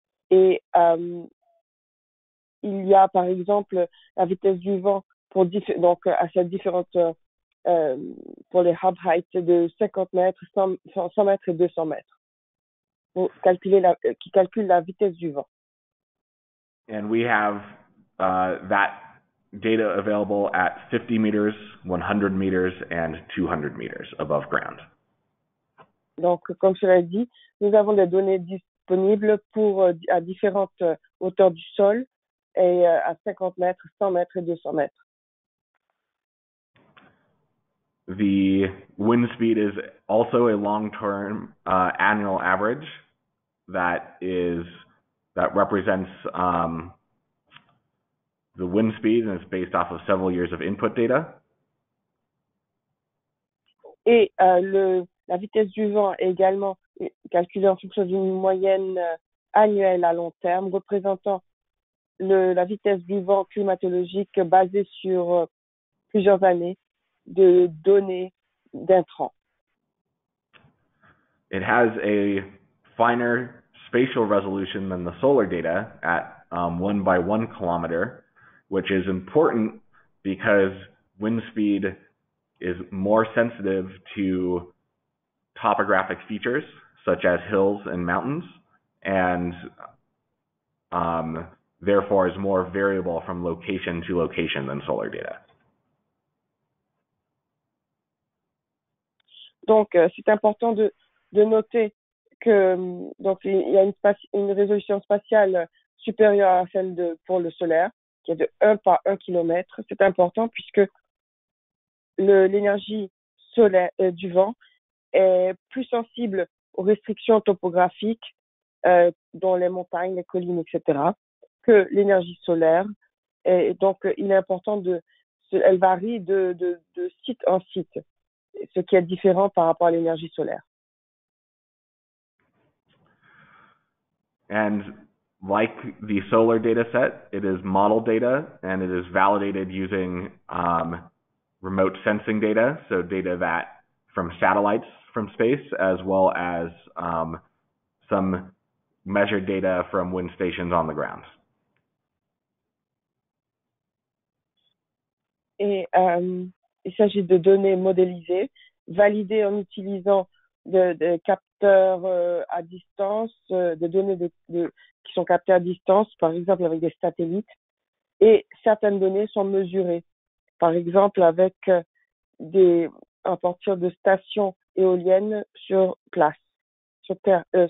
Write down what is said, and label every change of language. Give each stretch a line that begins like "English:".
French: Et il y a, par exemple, la vitesse du vent pour les hub heights de 50 mètres, 100 mètres et 200 mètres, pour calculer qui calcule la vitesse du vent.
English: And we have that data available at 50 meters, 100 meters, and 200 meters above ground.
French: Donc, comme je l'ai dit, nous avons des données disponibles pour à différentes hauteurs du sol et à 50 mètres, 100 mètres et 200 mètres.
English: The wind speed is also a long-term annual average that represents the wind speed, and it's based off of several years of input data.
French: Et la vitesse du vent est également calculée en fonction d'une moyenne annuelle à long terme, représentant la vitesse du vent climatologique basée sur plusieurs années de données d'intrants.
English: It has a finer spatial resolution than the solar data at 1 by 1 kilometer, which is important because wind speed is more sensitive to topographic features such as hills and mountains, and therefore is more variable from location to location than solar data.
French: Donc, c'est important de noter que donc il y a une résolution spatiale supérieure à celle pour le solaire, qui est de 1 par 1 km. C'est important puisque l'énergie solaire du vent est plus sensible aux restrictions topographiques, dans les montagnes, les collines, etc., que l'énergie solaire. Et donc, il est important elle varie de site en site, ce qui est différent par rapport à l'énergie solaire.
English: And like the solar data set, it is model data and it is validated using remote sensing data, so data that from satellites from space, as well as some measured data from wind stations on the ground.
French: Il s'agit de données modélisées, validées en utilisant des capteurs à distance, des données qui sont captées à distance, par exemple avec des satellites. Et certaines données sont mesurées, par exemple avec à partir de stations éoliennes sur place, sur place.